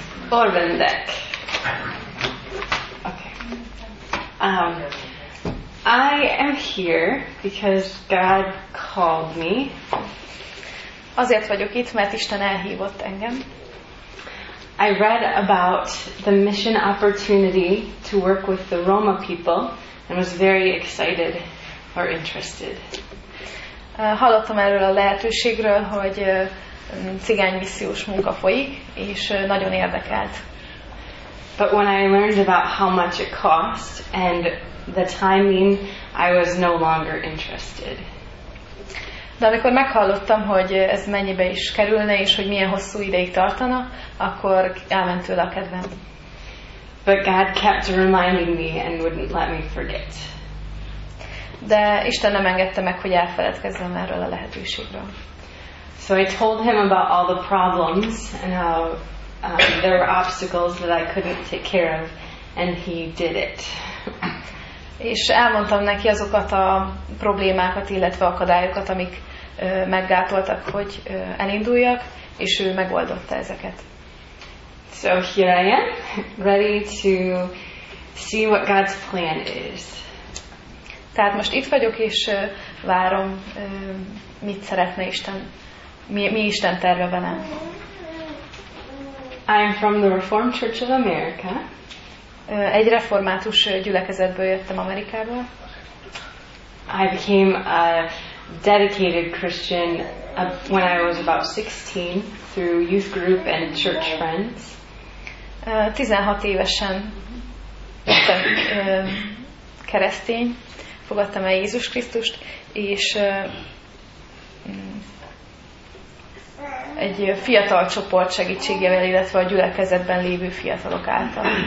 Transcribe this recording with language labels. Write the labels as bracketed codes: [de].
[hu] Orvendek. Okay. [en] I am here because God called me. [hu] Azért vagyok itt, mert Isten elhívott engem. [en] I read about the mission opportunity to work with the Roma people and was very excited. Or interested. [hu] Hallottam erről a lehetőségről, hogy cigány missziós munka folyik, és nagyon érdekelt. [en] But when I learned about how much it cost and the timing, I was no longer interested. [hu] De amikor meghallottam, hogy ez mennyibe is kerülne, és hogy milyen hosszú ideig tartana, akkor elment tőle a kedvem. [en] But God kept reminding me and wouldn't let me forget. [hu] De Isten nem engedte meg, hogy elfeledkezzem erről a lehetőségről. [en] So I told him about all the problems and how there were obstacles that I couldn't take care of, and he did it. [hu] És elmondtam neki azokat a problémákat, illetve akadályokat, amik meggátoltak, hogy elinduljak, és ő megoldotta ezeket. [en] So here I am, ready to see what God's plan is. [hu] Tehát most itt vagyok, és várom, mit szeretne Isten, mi Isten terve velem. [en] I'm from the Reformed Church of America. [hu] Egy református gyülekezetből jöttem Amerikából. [en] I became a dedicated Christian when I was about 16 through youth group and church friends. [hu] 16 évesen lettem keresztény. Fogadtam el Jézus Krisztust, és egy fiatal csoport segítségével, illetve a gyülekezetben lévő fiatalok által.